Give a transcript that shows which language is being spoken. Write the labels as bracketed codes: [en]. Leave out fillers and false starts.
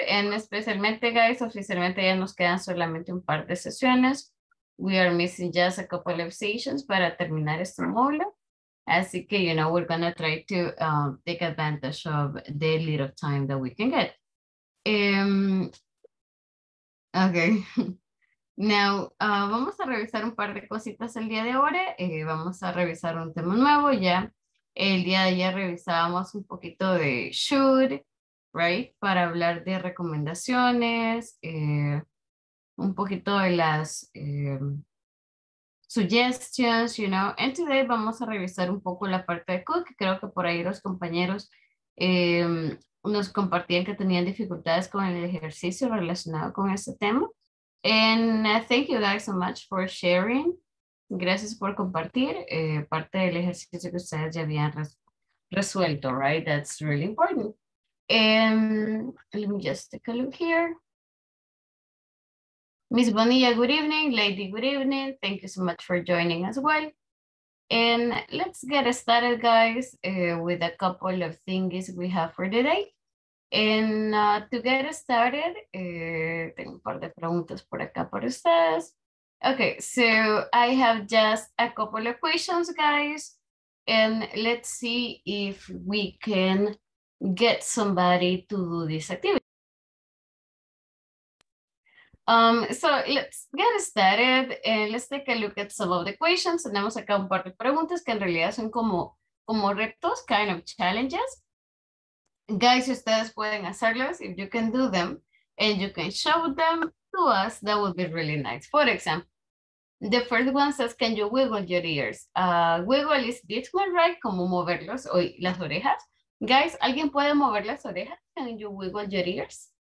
[es] And especialmente, guys, oficialmente ya nos quedan solamente un par de sesiones. [en] We are missing just a couple of sessions [es] para terminar este módulo. Así que, [en] you know, we're going to try to take advantage of the little time that we can get. Okay. [es] Now, vamos a revisar un par de cositas el día de ahora. Vamos a revisar un tema nuevo ya. El día de ayer revisábamos un poquito de should, right? Para hablar de recomendaciones, un poquito de las suggestions, [en] you know. And today [es] vamos a revisar un poco la parte de could. Creo que por ahí los compañeros nos compartían que tenían dificultades con el ejercicio relacionado con este tema. [en] And thank you guys so much for sharing. [es] Gracias por compartir parte del ejercicio que ustedes ya habían resuelto, right? [en] That's really important. Let me just take a look here. Miss Bonilla, good evening. Lady, good evening. Thank you so much for joining as well. And let's get started, guys, with a couple of things we have for today. And to get started, [es] tengo un par de preguntas por acá para ustedes. [en] Okay, so I have just a couple of questions, guys. And let's see if we can get somebody to do this activity. So let's get started and let's take a look at some of the questions. [es] Tenemos acá un par de preguntas que en realidad son como retos, [en] kind of challenges. Guys, [es] ustedes pueden hacerlos, [en] if you can do them and you can show them to us, that would be really nice. For example, the first one says, can you wiggle your ears? Wiggle is this one, right? [es] Como moverlos o las orejas. [en] Guys, [es] ¿alguien puede mover las orejas? [en] Can you wiggle your ears?